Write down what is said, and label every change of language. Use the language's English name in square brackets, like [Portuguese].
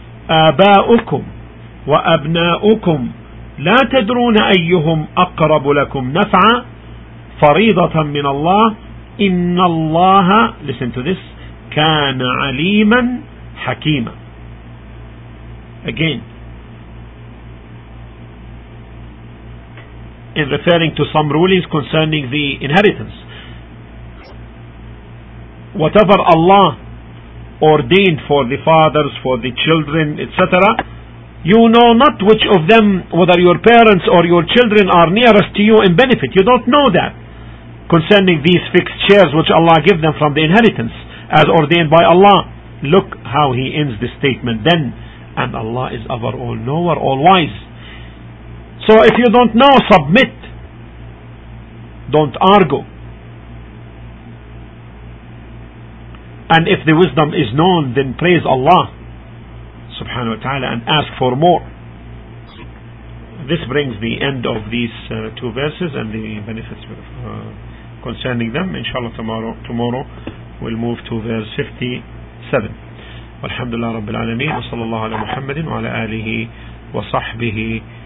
[Arabic] آباؤكم وأبناؤكم لا تدرون أيهم أقرب لكم نفعا فريضة من الله إن الله, [English] listen to this, [Arabic] كان عليما حكيما. [English] Again, in referring to some rulings concerning the inheritance, whatever Allah ordained for the fathers, for the children, etc., you know not which of them, whether your parents or your children, are nearest to you in benefit. You don't know that concerning these fixed shares which Allah give them from the inheritance as ordained by Allah. Look how he ends the statement then. And Allah is our all-knower, all-wise. So if you don't know, submit. Don't argue. And if the wisdom is known, then praise Allah subhanahu wa ta'ala and ask for more. This brings the end of these two verses and the benefits concerning them. Inshallah, tomorrow we'll move to verse 57. [Arabic] والحمد لله رب العالمين وصلى الله على محمد وعلى آله وصحبه.